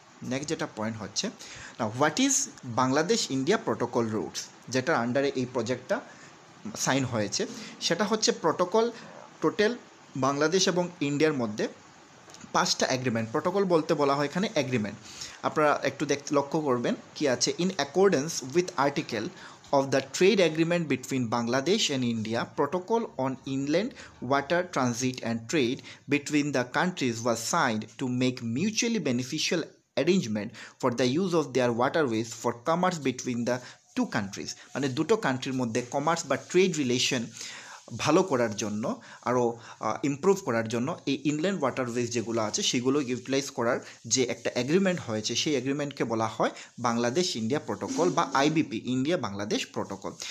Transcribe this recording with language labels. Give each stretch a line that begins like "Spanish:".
Bangla: Next যেটা point হচ্ছে না,
English: what is Bangladesh India protocol routes
Bangla: যেটার আন্ডারে এই প্রজেক্টটা সাইন হয়েছে। সেটা হচ্ছে প্রোটোকল টোটাল বাংলাদেশ এবং ইন্ডিয়ার মধ্যে পাঁচটা এগ্রিমেন্ট। প্রোটোকল বলতে বলা হয় এখানে এগ্রিমেন্ট, আপনারা একটু দেখতে লক্ষ্য করবেন কি আছে।
English: In accordance with article of the trade agreement between Bangladesh and India, protocol on inland water transit and trade between the countries was signed to make mutually beneficial arrangement for the use of their waterways for commerce between the two countries.
Bangla: মানে দুটো কান্ট্রির মধ্যে commerce বা trade relation ভালো করার জন্য, আরও improve করার জন্য এই ইনল্যান্ড ওয়াটারওয়েজ যেগুলো আছে সেগুলো ইউটিলাইজ করার যে একটা এগ্রিমেন্ট হয়েছে সেই এগ্রিমেন্টকে বলা হয় বাংলাদেশ ইন্ডিয়া প্রোটোকল বা IBP ইন্ডিয়া বাংলাদেশ প্রোটোকল।